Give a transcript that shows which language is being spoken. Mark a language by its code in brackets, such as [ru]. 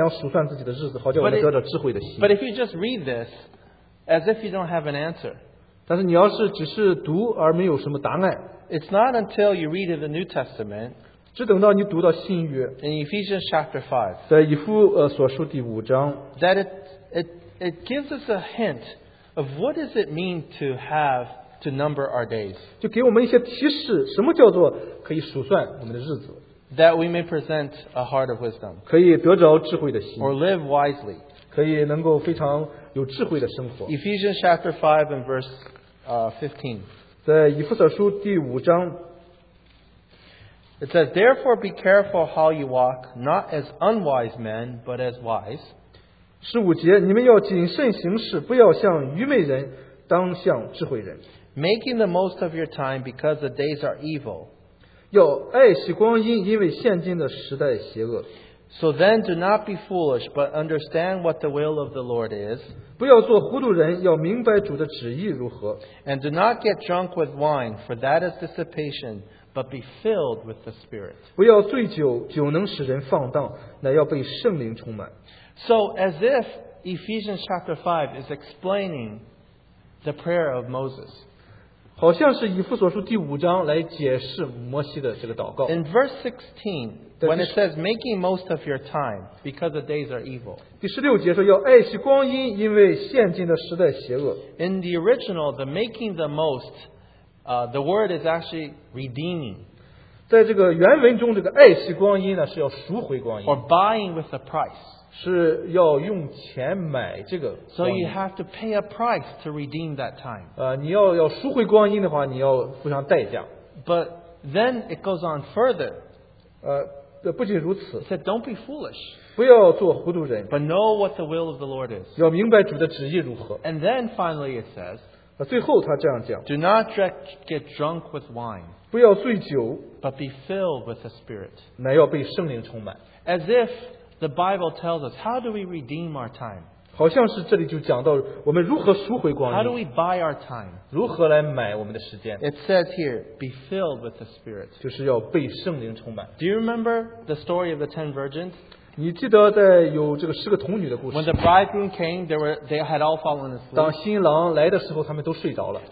[zh] 摩西有这样的祷告,就说,指教我们怎样数算自己的日子,好叫我们得到智慧的心。 [en] But if you just read this, as if you don't have an answer, [zh] 但是你要是只是读而没有什么答案, [en] it's not until you read in the New Testament, [zh] 只等到你读到新约, [en] in Ephesians chapter 5, [zh] 在以弗所书第五章, [en] that it gives us a hint of what does it mean to have to number our days. [zh] 就给我们一些提示, 什么叫做可以数算我们的日子? [en] That we may present a heart of wisdom. [zh] 可以得着智慧的心, [en] or live wisely. [zh] 可以能够非常有智慧的生活。 [en] Ephesians chapter 5 and verse 15. [zh] 在以弗所书第五章, [en] it says, therefore be careful how you walk, not as unwise men, but as wise. [zh] 15节, 你们要谨慎行事, 不要像愚昧人, 当像智慧人。 [en] Making the most of your time because the days are evil. [zh] 要爱惜光阴, 因为现今的时代邪恶。 [en] So then do not be foolish, but understand what the will of the Lord is. [zh] 不要做糊涂人, 要明白主的旨意如何。 [en] And do not get drunk with wine, for that is dissipation, but be filled with the Spirit. [zh] 不要醉酒, 酒能使人放荡, 乃要被圣灵充满。 [en] So as if Ephesians chapter 5 is explaining the prayer of Moses. [zh] 好像是以弗所书第五章来解释摩西的这个祷告。 [en] In verse 16, when it says making most of your time because the days are evil. [zh] 第16节说要爱惜光阴因为现今的时代邪恶。 [en] In the original, the making the most, the word is actually redeeming. [zh] 在这个原文中这个爱惜光阴呢是要赎回光阴。 [en] Or buying with a price. [zh] 是要用钱买这个, [en] so you have to pay a price to redeem that time. [zh] 你要赎回光阴的话, 你要付上代价。 [en] But then it goes on further. [zh] 不仅如此, [en] it said, don't be foolish. [zh] 不要做糊涂人, [en] but know what the will of the Lord is. [zh] 要明白主的旨意如何。 [en] And then finally it says, [zh] 最后他这样讲, [en] do not get drunk with wine. [zh] 不要醉酒, [en] but be filled with the Spirit. [zh] 乃要被圣灵充满。 [en] As if the Bible tells us, how do we redeem our time? [zh] 好像是这里就讲到我们如何赎回光阴。 [en] How do we buy our time? [zh] 如何来买我们的时间? [en] It says here, be filled with the Spirit. [zh] 就是要被圣灵充满。 [en] Do you remember the story of the 10 virgins? [zh] 你记得在有这个10个童女的故事。 [en] When the bridegroom came, they had all fallen asleep. [zh] 当新郎来的时候,他们都睡着了。